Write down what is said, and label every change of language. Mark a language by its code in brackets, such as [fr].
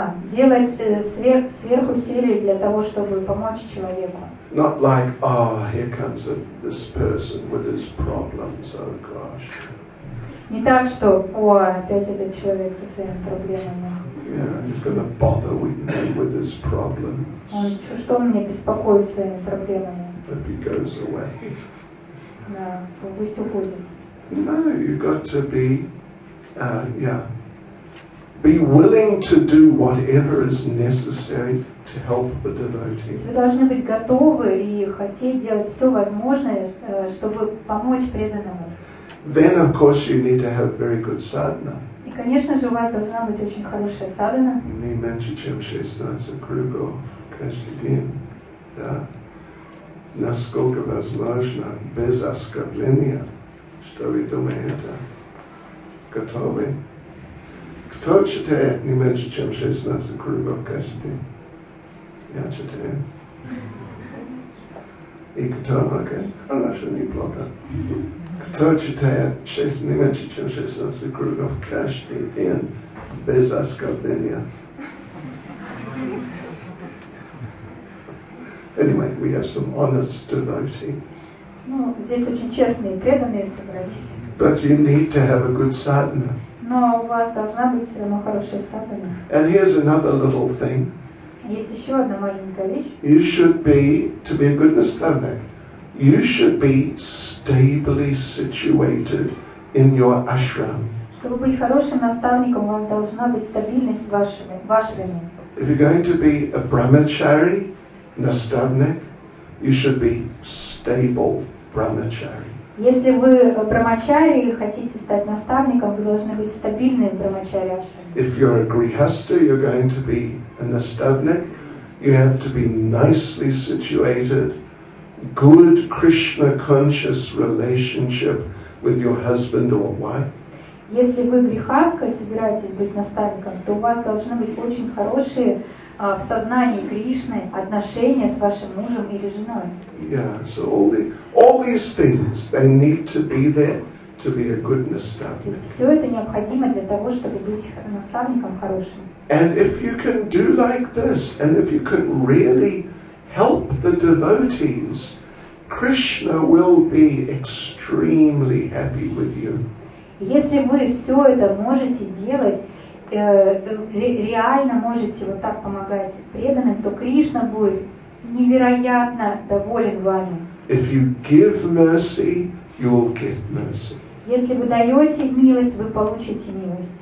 [ru] Делать сверхусилие для того, чтобы помочь человеку. [en] Not like, oh, here comes this person with his problems. Oh gosh. [ru] Не так, что, о, опять этот человек со своими проблемами. [en] Yeah, he's gonna bother me with his problems. [ru] Он что мне беспокоит своими проблемами? [en] But he goes away. [ru] Да, пусть уходит. [en] No, you got to be, be willing to do whatever is necessary to help the devotee. [ru] Вы должны быть готовы и хотеть делать все возможное, чтобы помочь преданному. [en] Then, of course, you need to have very good sadhana. [ru] И, конечно же, у вас должна быть очень хорошая садхана. Не меньше, чем 16 кругов каждый день. Да. Насколько возможно, без оскорбления. Что вы думаете? Готовы? Кто читает не меньше, чем 16 кругов каждый день? Я читаю. И кто? Окей. Хорошо, неплохо. Кто читает не меньше, чем 16 кругов каждый день без оскорбления? [en] Anyway, we have some honest devotees. [ru] Ну, здесь очень честные преданные собрались. [en] But you need to have a good sadhana. [ru] Но у вас должна быть все равно хорошая sadhana. [en] And here's another little thing. [ru] Есть еще одна маленькая вещь. [en] You should be, to be a good nastavnik, you should be stably situated in your ashram. [ru] Чтобы быть хорошим наставником, у вас должна быть стабильность в ашраме. [en] If you're going to be a brahmachari, наставник, you should be stable brahmachari. [ru] Если вы брахмачари и хотите стать наставником, вы должны быть стабильным брахмачари. [en] If you're a grihastha, you're going to be a наставник. You have to be nicely situated, good Krishna conscious relationship with your husband or wife. [ru] Если вы грихастха и собираетесь быть наставником, то у вас должны быть очень хорошие в сознании Кришны отношения с вашим мужем или женой. [en] Yeah, so all these things, they need to be there to be a good наставник. [ru] То есть все это необходимо для того, чтобы быть наставником хорошим. [en] And if you can do like this, and if you can really help the devotees, Krishna will be extremely happy with you. [ru] Если вы все это можете делать, реально можете вот так помогать преданным, то Кришна будет невероятно доволен вами. [en] If you give mercy, you will get mercy. [ru] Если вы даете милость, вы получите милость.